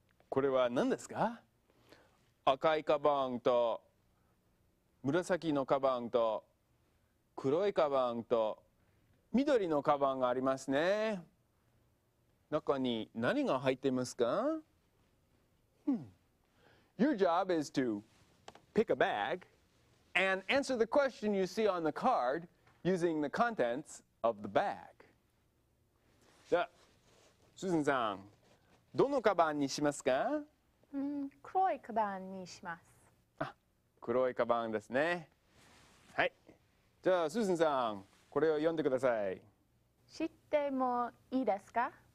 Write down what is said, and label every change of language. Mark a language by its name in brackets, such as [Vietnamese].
[Japanese] これは何ですか？赤いカバンと紫のカバンと黒いカバンと緑のカバンがありますね。中に何が入っていますか？ [English] Your job is to pick a bag and answer the question you see on the card. Using the contents of the bag. じゃあ、 [Japanese] スーズンさん、どのカバンにしますか？黒いカバンにします。あ、黒いカバンですね。はい。じゃあ、スーズンさん、これを読んでください。知ってもいいですか？